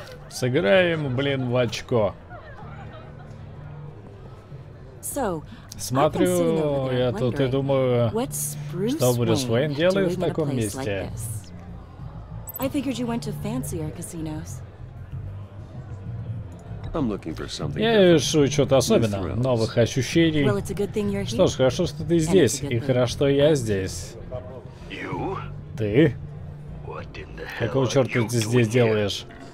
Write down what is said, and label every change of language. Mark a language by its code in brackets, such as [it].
[ru] Сыграем, блин, в очко. Смотрю я тут и думаю, что Брюс Уэйн делает в таком месте. [en] I figured you went to fancier casinos. [ru] Я ищу что-то особенное, новых ощущений. Что ж, хорошо, что ты здесь, и хорошо, что я здесь. Ты? Какого черта ты здесь делаешь?